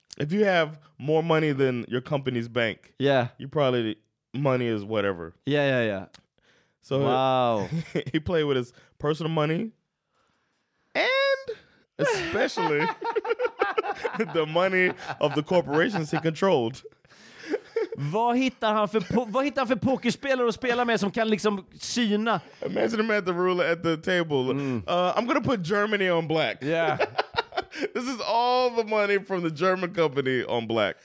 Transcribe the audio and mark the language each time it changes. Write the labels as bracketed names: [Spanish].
[English] If you have more money than your company's bank, you probably, money is whatever. Yeah, yeah, yeah. So he played with his personal money and especially the money of the corporations he controlled. [Swedish] Vad hittar han för pokerspelare att spela med som kan liksom syna? [English] Imagine him at the ruler at the table. Mm. I'm going to put Germany on black. Yeah. This is all the money from the German company on black.